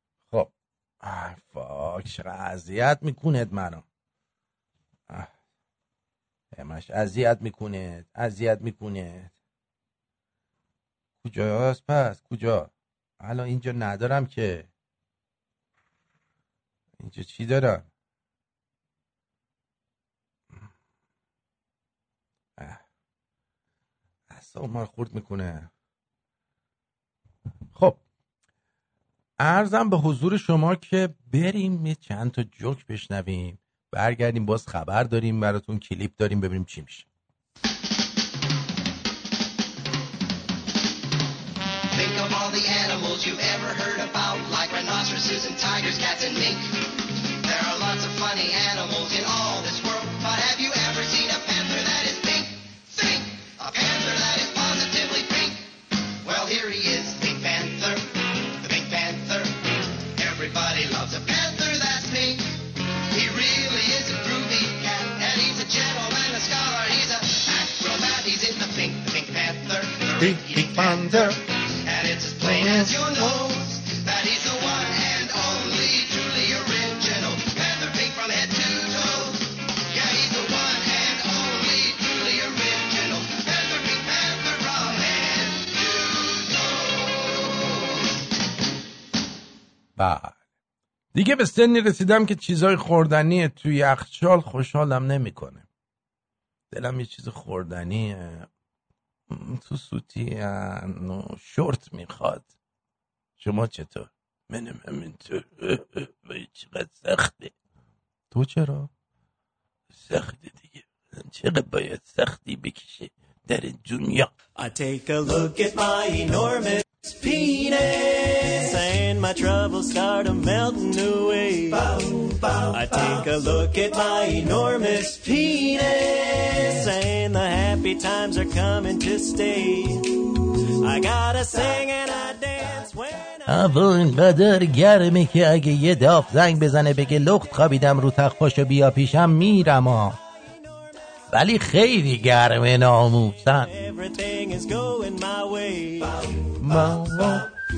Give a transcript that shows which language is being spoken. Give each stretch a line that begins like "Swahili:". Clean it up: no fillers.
Persian: خب فاک چقدر اذیت میکنید منو همش اذیت میکنید اذیت میکنید کجاست پس کجا حالا اینجا ندارم که اینجا چی دارم اصلا ما رو خورد میکنه. خب عرضم به حضور شما که بریم یه چند تا جوک بشنویم برگردیم باز خبر داریم براتون کلیپ داریم ببینیم چی میشه.
English: Think of all the animals you ever heard about like rhinoceroses and tigers cats and mink. There are lots of funny animals in all this world but have you ever seen a panther that is pink? Think a panther that is positively pink. Well here he is the panther. The pink panther. Everybody loves a panther. Pink Panther. And it's as plain as your nose that he's the one and only truly original Panther pink from head to toes. Yeah, he's the one and only truly original Panther pink Panther from head to toes.
Persian: دیگه به سنی رسیدم که چیزای خوردنی توی یخچال خوشحالم نمی کنه. دلم یه چیز خوردنیه تو سوتی هنو شورت میخواد. شما چطور؟ منم همینطور. وای چقدر سخته. تو چرا؟ سخته دیگه. چقدر باید سختی بکشه در این دنیا.
English: I take a look at my enormous penis and my troubles start melting away. I take a look at my enormous penis and the happy times are coming to stay. I gotta sing and I dance when
Persian: هوا اینقدر گرمه که اگه یه داف زنگ بزنه بگه لخت خوابیدم رو تخت پاشو بیا پیشم میرم ها ولی خیلی گرمه ناموسن موسن